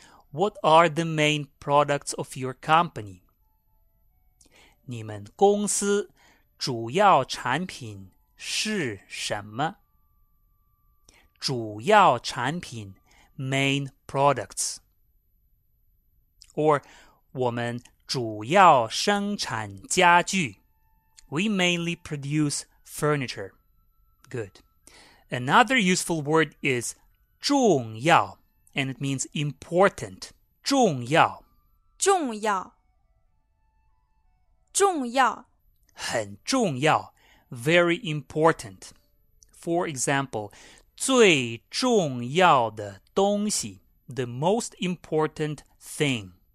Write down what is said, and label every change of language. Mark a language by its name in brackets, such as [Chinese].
[English] What are the main products of your company? [Chinese] 你们公司主要产品是什么？主要产品 [English] main products. [Chinese] Or, 我们主要生产家具。 [English] We mainly produce furniture. Good. Another useful word is 重要, and it means important. [Chinese] 重要重要重要很重要 [English] very important. For example, [Chinese] 最重要的东西 [English] the most important thing.